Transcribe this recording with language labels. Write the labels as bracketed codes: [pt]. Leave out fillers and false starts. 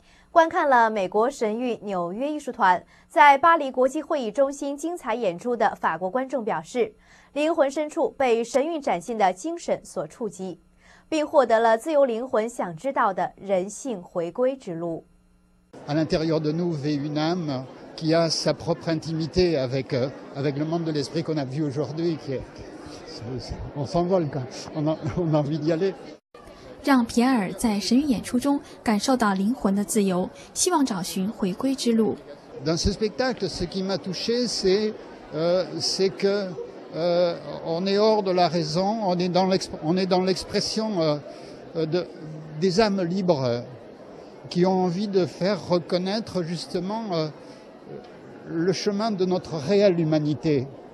[zh] 观看了美国神韵纽约艺术团在巴黎国际会议中心精彩演出的法国观众表示，灵魂深处被神韵展现的精神所触及，并获得了自由灵魂想知道的人性回归之路。 [fr] À l'intérieur de nous vit une âme qui a sa propre intimité avec le monde de l'esprit qu'on a vu aujourd'hui. On s'envole quand on a envie d'y aller. [zh] 让皮埃尔在神韵演出中感受到灵魂的自由，希望找寻回归之路。 [fr] Dans ce spectacle, ce qui m'a touché, c'est que on est hors de la raison, on est dans l'expression des âmes libres qui ont envie de faire reconnaître justement le chemin de notre réelle humanité.